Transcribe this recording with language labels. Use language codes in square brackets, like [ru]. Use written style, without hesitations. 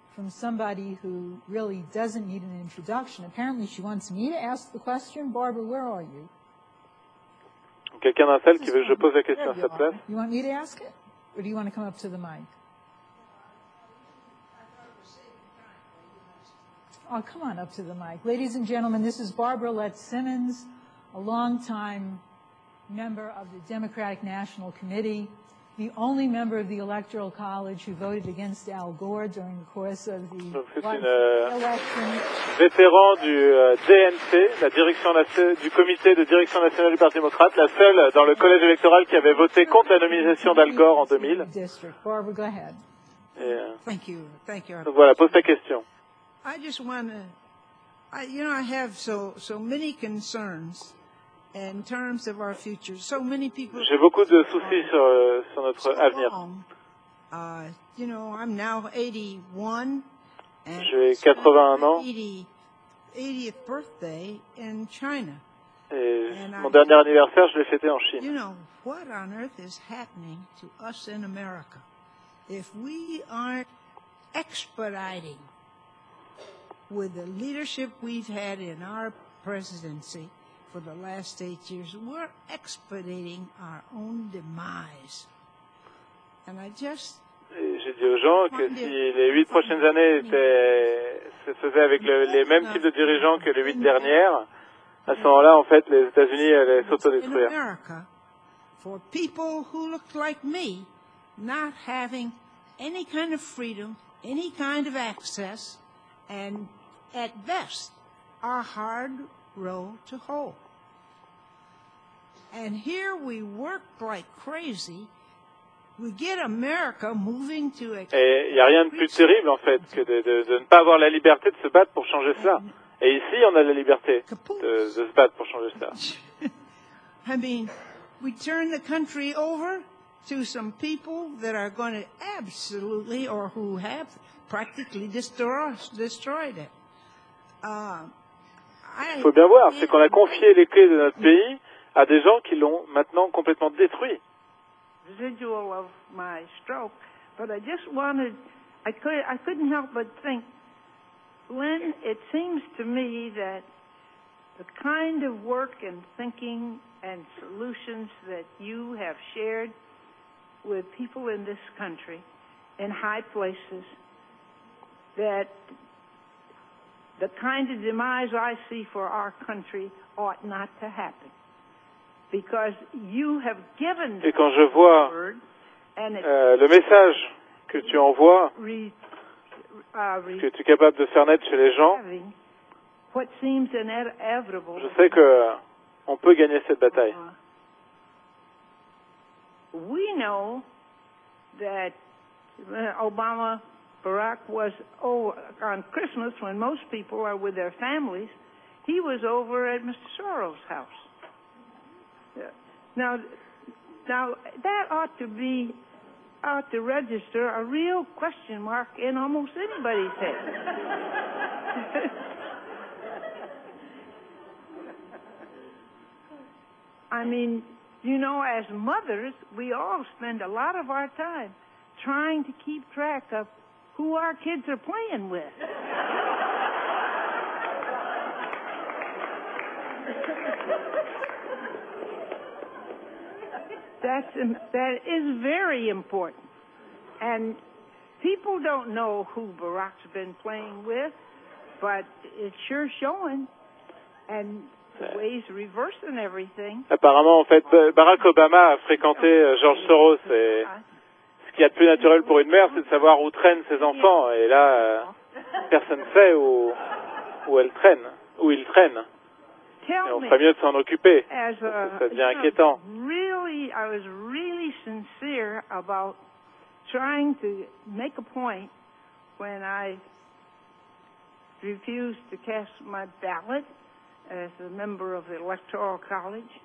[en] From somebody who really doesn't need an introduction. Apparently, she wants me to ask the question. Barbara, where are you? [fr] Quelqu'un d'un tel qui veut que je pose la question à sa place? [en] You want me to ask it, or do you want to come up to the mic? Oh, come on up to the mic, ladies and gentlemen. This is Barbara Letts-Simmons, a longtime member of the Democratic National Committee. The only member of the Electoral College who voted against Al Gore during the course of the election. [fr] Vétéran du DNC, la direction du comité de direction nationale du Parti démocrate, la seule dans le collège électoral qui avait voté contre la nomination d'Al Gore en 2000. [en] Barbara, go ahead. Thank you. [fr] Donc voilà, pose ta question. [en] I just want to, you know, I have so many concerns. In terms of our future, so many people. [fr] J'ai beaucoup de soucis sur notre avenir. [en] You know, I'm now 81. [fr] J'ai 81 ans. [en] 80th birthday in China. [fr] Et mon dernier anniversaire, je l'ai fêté en Chine. [en] You know, what on earth is happening to us in America if we aren't expediting with the leadership we've had in our presidency? For the last 8 years, we're expediting our own demise. And I just. [fr] J'ai dit aux gens que si les 8 prochaines années se faisaient avec les mêmes types de dirigeants que les 8 dernières, à ce moment-là, en fait, les États-Unis allaient s'autodétruire. [en] For people who look like me, not having any kind of freedom, any kind of access, and at best, a hard road to hoe. And here we work like crazy. We get America moving to a. [fr] Et il n'y a rien de plus terrible, en fait, que de ne pas avoir la liberté de se battre pour changer cela Et ici, on a la liberté de se battre pour changer ça. [en] I mean, we turn the country over to some people that are going to absolutely, or who have practically destroyed it. [fr] Il faut bien voir, c'est qu'on a confié les clés de notre pays à des gens qui l'ont maintenant complètement détruit. [en] Residual of my stroke, but I just wanted, I couldn't help but think, when it seems to me that the kind of work and thinking and solutions that you have shared with people in this country, in high places, that the kind of demise I see for our country ought not to happen. Because you have given the word, and it is [fr] le message que tu envoies, que tu es capable de faire naître chez les gens, [en] what seems inevitable, [fr] je sais que on peut gagner cette bataille. [en] We know that Obama, Barack was on Christmas when most people are with their families. He was over at Mr. Soros' house. Now that ought to register a real question mark in almost anybody's head. I mean, you know, as mothers, we all spend a lot of our time trying to keep track of who our kids are playing with. That is very important. And people don't know who Barack's been playing with, but it's sure showing. And [fr] apparemment, en fait, Barack Obama a fréquenté George Soros, et ce qu'il y a de plus naturel pour une mère, c'est de savoir où traînent ses enfants, et là, personne ne sait où ils traînent. Et on ferait mieux de s'en occuper. Ça devient inquiétant. [en] I was really sincere about trying to make a point when I refused to cast my ballot as a member of the Electoral College.